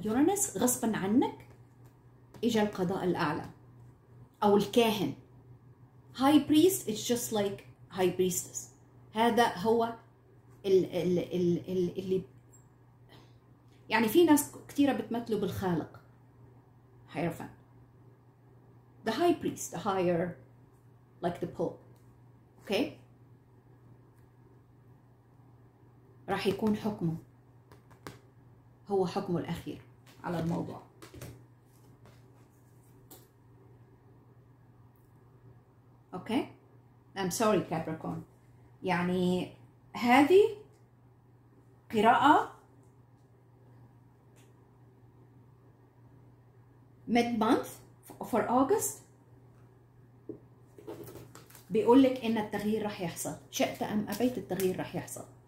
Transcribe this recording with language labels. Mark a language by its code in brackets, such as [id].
[ar] يورانوس غصبا عنك اجى القضاء الاعلى او الكاهن. [en] High priest is just like high priestess. [ar] هذا هو ال ال ال اللي يعني في ناس كتيرة بتمثله بالخالق. [en] Hierophant. The high priest, the higher, like the pope. Okay. [ar] راح يكون حكمه، هو حكمه الأخير على الموضوع. [en] Okay, I'm sorry Capricorn. [ar] يعني هذه قراءة [en] mid month for August [ar] بيقول لك ان التغيير رح يحصل، شئت ام ابيت التغيير رح يحصل.